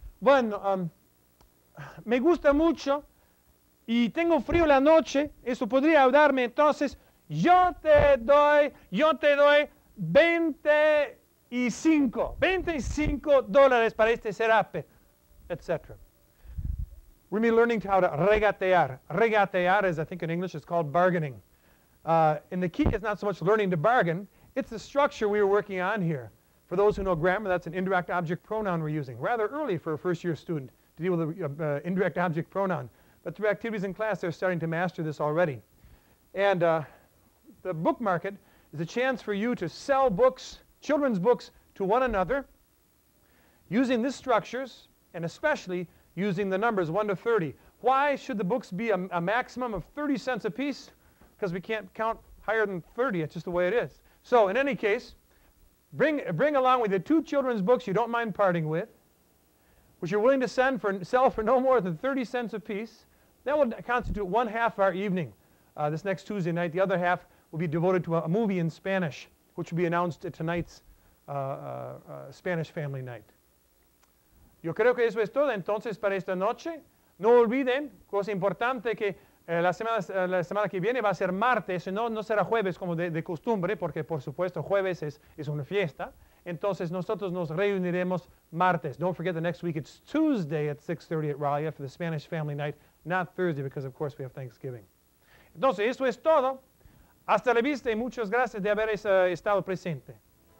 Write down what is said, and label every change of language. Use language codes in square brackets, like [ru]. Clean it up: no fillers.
[es] Bueno, me gusta mucho y tengo frío la noche, eso podría ayudarme, entonces yo te doy $25 para este serape, etc. [en] We're going to be learning how to regatear. Regatear is, I think in English, it's called bargaining. And the key is not so much learning to bargain. It's the structure we are working on here. For those who know grammar, that's an indirect object pronoun we're using. Rather early for a first-year student to deal with an indirect object pronoun. But through activities in class, they're starting to master this already. And the book market is a chance for you to sell books, children's books, to one another using these structures, and especially using the numbers 1 to 30. Why should the books be a maximum of 30 cents apiece? Because we can't count higher than 30, it's just the way it is. So in any case, bring along with you 2 children's books you don't mind parting with, which you're willing to sell for no more than 30 cents apiece. That will constitute 1/2 of our evening this next Tuesday night. The other half will be devoted to a movie in Spanish, which will be announced at tonight's Spanish Family Night. [es] Yo creo que eso es todo entonces para esta noche. No olviden, cosa importante, que la semana que viene va a ser martes, no será jueves como de costumbre, porque por supuesto jueves es una fiesta. Entonces nosotros nos reuniremos martes. [en] Don't forget the next week, it's Tuesday at 6:30 at Raya for the Spanish Family Night, not Thursday because of course we have Thanksgiving. [es] Entonces eso es todo. Hasta la vista y muchas gracias de haber estado presente.